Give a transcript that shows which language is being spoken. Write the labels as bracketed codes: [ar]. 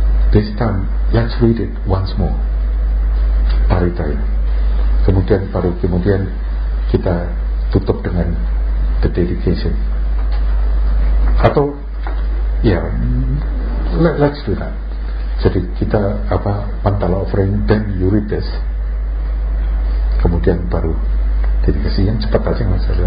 [en] This time, let's read it once more. [pi] Parita. [id] Kemudian baru kemudian kita tutup dengan [en] the dedication. [id] Atau ya [en] let's do that. [id] Jadi kita [en] mandala offering then you read this. [id] Kemudian baru dedikasi yang cepat aja mas.